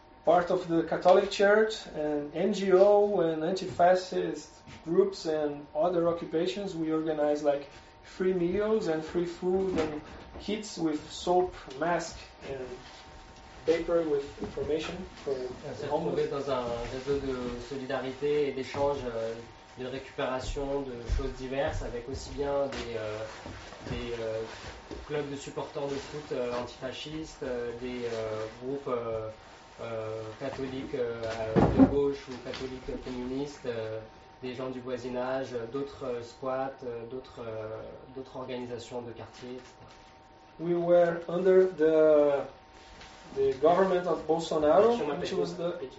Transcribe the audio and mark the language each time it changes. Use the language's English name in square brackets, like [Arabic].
[English] part of the Catholic Church and NGO and anti-fascist groups and other occupations, we organize like free meals and free food and kits with soap, mask and paper with information for the homeless. [French] Dans un réseau de solidarité et d'échange de récupération de choses diverses avec aussi bien des clubs de supporters de foot antifascistes, des groupes catholiques de gauche ou catholiques communistes, des gens du voisinage, d'autres squats, d'autres organisations de quartier, etc. [English] We were under the government of Bolsonaro, which was the...